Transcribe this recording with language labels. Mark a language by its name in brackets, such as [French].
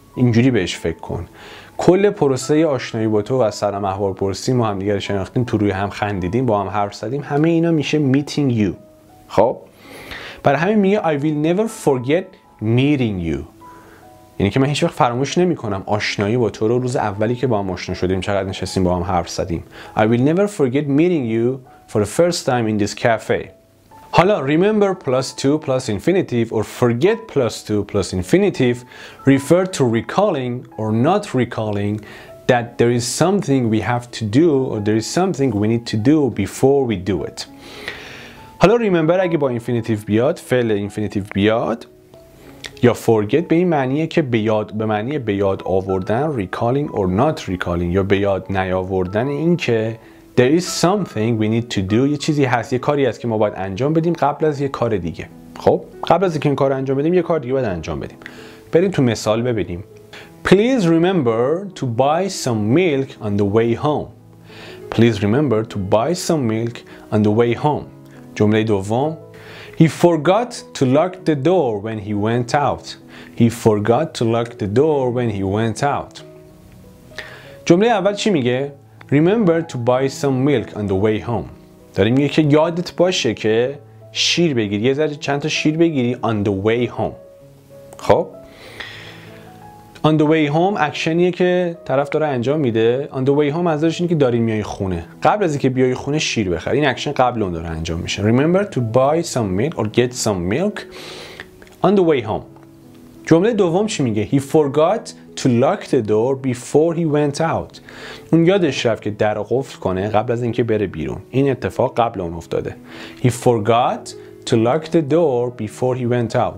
[Persian] اینجوری بهش فکر کن، کل پروسه آشنایی با تو و از سلام احوالپرسی ما هم دیگر شناختیم، تو روی هم خندیدیم، با هم حرف زدیم، همه اینا میشه [English] meeting you. [Persian] خب برای همین میگه [English] I will never forget meeting you، [Persian] یعنی که من هیچ وقت فراموش نمی کنم آشنایی با تو رو، روز اولی که با هم آشنا شدیم، چقدر نشستیم با هم حرف زدیم. [English] I will never forget meeting you for the first time in this cafe. [Persian] حالا [English] remember plus two plus infinitive or forget plus two plus infinitive refer to recalling or not recalling that there is something we have to do or there is something we need to do before we do it. [Persian] حالا remember اگه با infinitive بیاد، فعل infinitive بیاد، یا forget به این معنیه که بیاد، به معنی بیاد آوردن، [English] recalling or not recalling [Persian] یا بیاد نیاوردن، این که [English] there is something we need to do، [Persian] یه چیزی هست، یه کاری هست که ما باید انجام بدیم قبل از یه کار دیگه. خب قبل از اینکه این کار انجام بدیم، یه کار دیگه باید انجام بدیم. بریم تو مثال ببینیم. [English] Please remember to buy some milk on the way home. Please remember to buy some milk on the way home. [Persian] جمله دوم. [English] He forgot to lock the door when he went out. He forgot to lock the door when he went out. [Persian] جمله اول چی میگه؟ [English] Remember to buy some milk on the way home. [Persian] داری میگه که یادت باشه که شیر بگیری، یه ذره چند تا شیر بگیری [English] on the way home. [Persian] خب [English] on the way home [Persian] اکشنیه که طرف داره انجام میده. [English] on the way home [Persian] منظورش اینه که داری میای خونه، قبل از اینکه بیای خونه شیر بخری، این اکشن قبل اون داره انجام میشه. [English] Remember to buy some milk or get some milk on the way home. [Persian] جمله دوم چی میگه؟ [English] He forgot to lock the door before he went out. [Persian] اون یادش رفت که در قفل کنه قبل از اینکه بره بیرون. این اتفاق قبل اون افتاده. [English] He forgot to lock the door before he went out.